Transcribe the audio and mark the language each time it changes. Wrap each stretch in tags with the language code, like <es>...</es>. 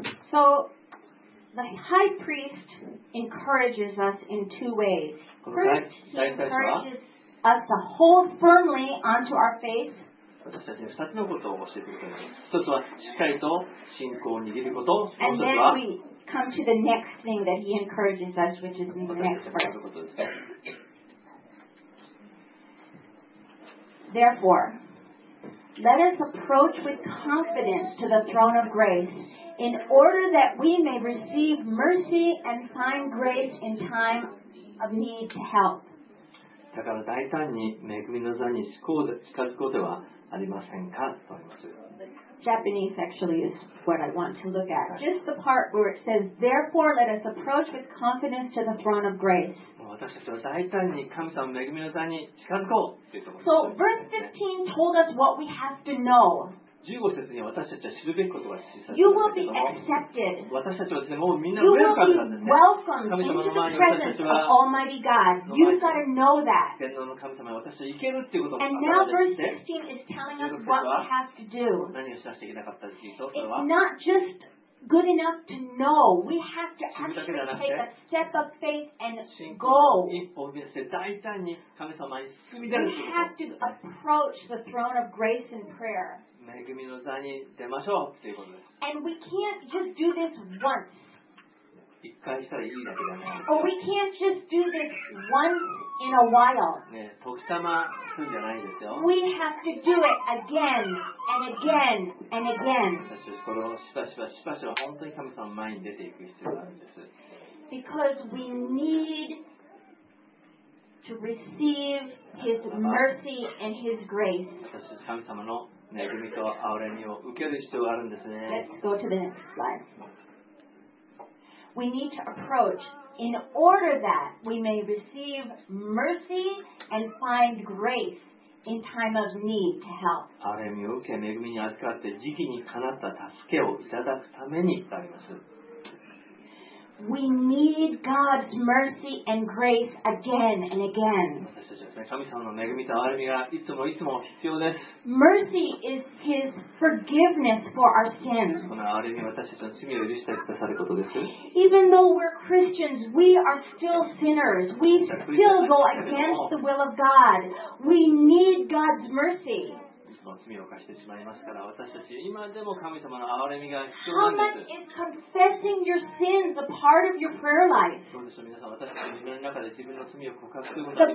<en>So the high priest encourages us in two ways. First, he encourages us to hold firmly onto our faith.</en> <ja>私たちに二つのことを教えてくれます。一つはしっかりと信仰を握ること。その時は、</ja> <en>come to the next thing that he encourages us, which is the next part. Therefore, let us approach with confidence to the throne of grace, in order that we may receive mercy and find grace in time of need to help.</en> <ja>だから大胆に恵みの座に近づくことではありませんかと言います。</ja> <en>Japanese actually is what I want to look at. Just the part where it says, therefore let us approach with confidence to the throne of grace.</en> <ja>私たちは大胆に神様の恵みの座に近づこうというところです、ね。</ja> <en>So verse 15 told us what we have to know.</en> <ja>15節に私たちは知るべきことが示されています。</ja> <en>You will be accepted.</en> <ja>私たちはですね、もうみんなウェルカムなんですね。</ja> <en>You will be welcomed into the presence of Almighty God. You've got to know that.</en> <ja>天皇の神様は私たちは行けるということを</ja> <en>And now verse 16 is telling us what we have to do.</en> <ja>何をしなきゃいけなかったというと、</ja> <en>It's not just good enough to know. We have to actually take a step of faith and go.</en> <ja>一歩を出して大胆に神様に進み出</ja> <en>す。We have to approach the throne of grace and prayer.</en> <ja>恵みの座に出ましょうということです。</ja> <en>And we can't just do this once.</en> <ja>一回したらいいだけじゃない。</ja> <en>Or we can't just do this once in a while.</en> <ja>ね、時たまするんじゃないですよ。</ja> <en>We have to do it again and again and again.</en> <ja>これをしばしばしばしば本当に神様の前に出ていく必要があるんです。</ja> <en>Because we need to receive His mercy and His grace.</en> <ja>私たち神様の恵みと憐れみを受ける必要があるんですね。</ja> <en>Let's go to the next slide. We need to approach in order that we may receive mercy and find grace in time of need to help.</en> <ja>憐れみを受け、恵みに預かって、時期にかなった助けをいただくためにあります。</ja> <en>We need God's mercy and grace again and again.</en> <ja>私たちはですね、神様の恵みと憐れみがいつもいつも必要です。</ja> <en>Mercy is His forgiveness for our sins.</en> <ja>この憐れみは私たちの罪を許してくださることです。</ja> <en>Even though we're Christians, we are still sinners. We still go against the will of God. We need God's mercy.</en> <ja>罪を犯してしまいますから、私たち今でも神様の憐れみが必要なんです。</ja> <en>How much is confessing your sins a part of your prayer life?</en> <ja>どうでしょう、皆さん、私たちの自分の中で自分の罪を告白することですか。</ja>